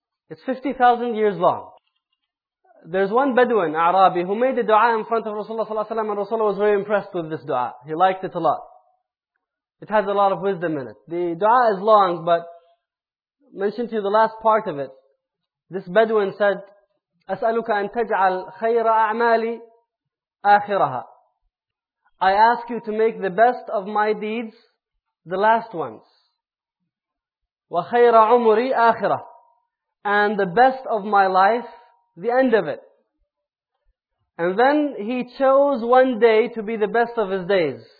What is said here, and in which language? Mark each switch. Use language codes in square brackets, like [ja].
[en] It's 50,000 years long. There's one Bedouin, Arabi, who made a dua in front of Rasulullah ﷺ, and Rasulullah was very impressed with this dua. He liked it a lot. It has a lot of wisdom in it. The dua is long, but mentioned to you the last part of it. This Bedouin said, [ar] أسألك أن تجعل خير أعمالي آخرها. [en] I ask you to make the best of my deeds the last ones. [ar] وَخَيْرَ عُمُرِي آخِرَةً. [en] And the best of my life, the end of it. And then he chose one day to be the best of his days.